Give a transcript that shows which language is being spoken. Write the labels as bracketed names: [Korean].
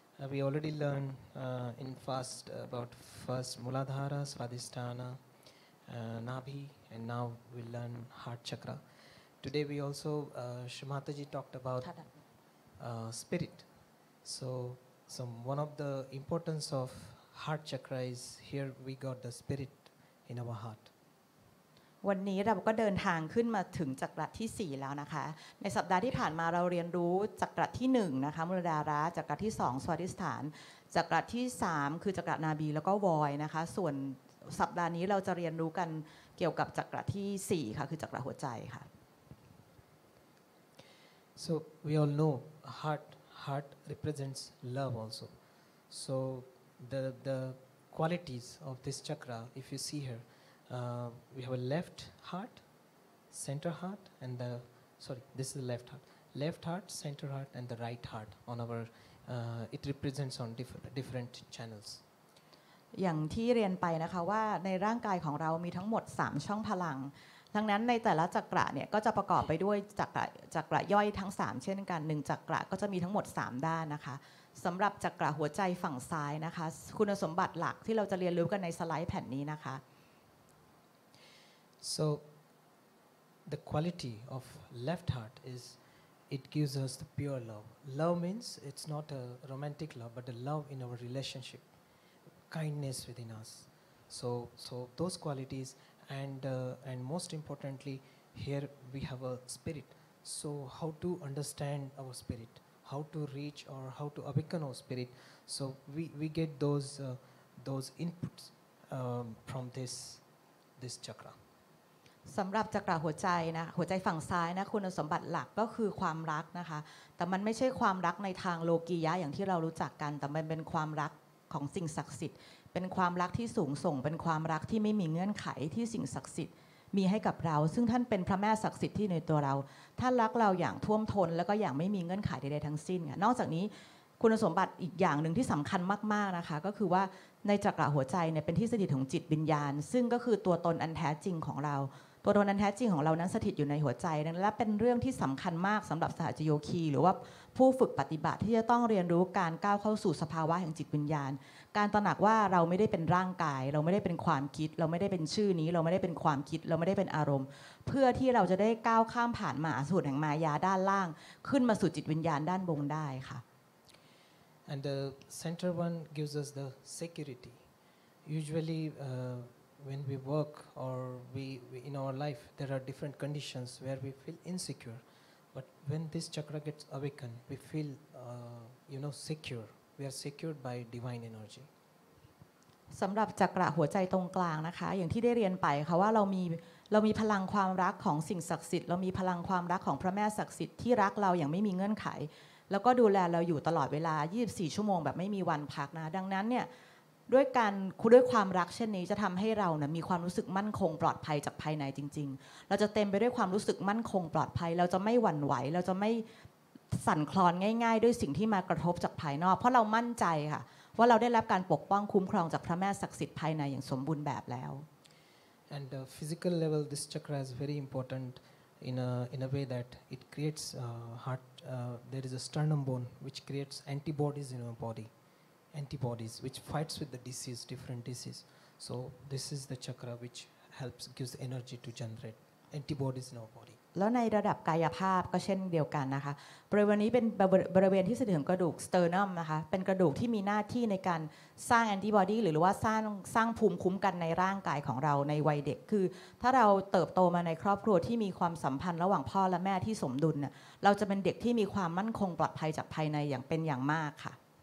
[English] We already learned in fast about first Muladhara, Svadhisthana, Nabhi, and now we'll learn Heart Chakra. Today we also, Shumataji talked about spirit. So one of the importance of Heart Chakra is here we got the spirit in our heart. [Thai] วันนี้เราก็เดินทางขึ้นมาถึงจักระที่4แล้วนะคะในสัปดาห์ที่ผ่านมาเราเรียนรู้จักระที่1นะคะมูลดาราจักระที่2สวัสดิสถานจักระที่3คือจักระนาบีแล้วก็วอยนะคะส่วน สัปดาห์นี้เราจะเรียนรู้กันเกี่ยวกับจักระที่4ค่ะคือจักระหัวใจค่ะ [English] So we all know heart represents love also so the qualities of this chakra if you see here we have a left heart center heart and the sorry this is the left heart center heart and the right heart on our it represents on different channels [Thai] อย่างที่เรียนไปนะคะว่าในร่างกายของเรามีทั้งหมด3ช่องพลังดังนั้นในแต่ละจักระเนี่ยก็จะประกอบไปด้วยจักระย่อยทั้ง3เช่นกัน1จักระก็จะมีทั้งหมด3ด้านนะคะสำหรับจักระหัวใจฝั่งซ้ายนะคะคุณสมบัติหลักที่เราจะเรียนรู้กันในสไลด์แผ่นนี้นะคะ [English] So the quality of left heart is it gives us the pure love love means it's not a romantic love but a love in our relationshipkindness within us so those qualities and most importantly here we have a spirit so how to understand our spirit how to reach or how to awaken our spirit so we get those inputs from this chakra [Thai] สำหรับจักระหัวใจนะหัวใจฝั่งซ้ายนะคุณสมบัติหลักก็คือความรักนะคะแต่มันไม่ใช่ความรักในทางโลกียะอย่างที่เรารู้จักกันแต่มันเป็นความรักของสิ่งศักดิ์สิทธิ์เป็นความรักที่สูงส่งเป็นความรักที่ไม่มีเงื่อนไขที่สิ่งศักดิ์สิทธิ์มีให้กับเราซึ่งท่านเป็นพระแม่ศักดิ์สิทธิ์ที่ในตัวเราท่านรักเราอย่างท่วมท้นแล้วก็อย่างไม่มีเงื่อนไขใดๆทั้งสิ้นค่ะนอกจากนี้ คุณสมบัติอีกอย่างนึงที่สำคัญมากๆนะคะก็คือว่าในจักระหัวใจเนี่ยเป็นที่สถิตของจิตวิญญาณซึ่งก็คือตัวตนอันแท้จริงของเราตัวตนอันแท้จริงของเรานั้นสถิตอยู่ในหัวใจและเป็นเรื่องที่สำคัญมากสำหรับสหัจโยคีหรือว่าผู้ฝึกปฏิบัติที่จะต้องเรียนรู้การก้าวเข้าสู่สภาวะแห่งจิตวิญญาณการตระหนักว่าเราไม่ได้เป็นร่างกายเราไม่ได้เป็นความคิดเราไม่ได้เป็นชื่อนี้เราไม่ได้เป็นความคิดเราไม่ได้เป็นอารมณ์เพื่อที่เราจะได้ก้าวข้ามผ่านมหาสูตรแห่งมายาด้านล่างขึ้นมาสู่จิตวิญญาณด้านบนได้ค่ะ [English] And the center one gives us the security usually when we work or we in our life there are different conditions where we feel insecureBut when this chakra gets awakened, we feel, secure. We are secured by divine energy. [Thai] สำหรับจักระหัวใจตรงกลางนะคะอย่างที่ได้เรียนไปค่ะว่าเรามีพลังความรักของสิ่งศักดิ์สิทธิ์เรามีพลังความรักของพระแม่ศักดิ์สิทธิ์ที่รักเราอย่างไม่มีเงื่อนไขแล้วก็ดูแลเราอยู่ตลอดเวลา24ชั่วโมงแบบไม่มีวันพักนะดังนั้นเนี่ยด้วยการด้วยความรักเช่นนี้จะทำให้เราเนี่ยมีความรู้สึกมั่นคงปลอดภัยจากภายในจริงๆเราจะเต็มไปด้วยความรู้สึกมั่นคงปลอดภัยเราจะไม่หวั่นไหวเราจะไม่ สั่นคลอนง่ายๆด้วยสิ่งที่มากระทบจากภายนอกเพราะเรามั่นใจค่ะว่าเราได้รับการปกป้องคุ้มครองจากพระแม่ศักดิ์สิทธิ์ภายในอย่างสมบูรณ์แบบแล้ว [English] And the physical level this chakra is very important in a way that it creates heart there is a sternum bone which creates antibodies in our bodyantibodies which fights with the disease different disease so this is the chakra which helps gives energy to generate antibodies in our body [Thai] แล้วในระดับกายภาพก็เช่นเดียวกันนะคะบริเวณนี้เป็นบริเวณที่สถิตของกระดูก sternum นะคะเป็นกระดูกที่มีหน้าที่ในการสร้างแอนติบอดีหรือว่าสร้างภูมิคุ้มกันในร่างกายของเราในวัยเด็กคือถ้าเราเติบโตมาในครอบครัวที่มีความสัมพันธ์ระหว่างพ่อและแม่ที่สมดุลน่ะเราจะเป็นเด็กที่มีความมั่นคงปลอดภัยจากภายในอย่างเป็นอย่างมากค่ะ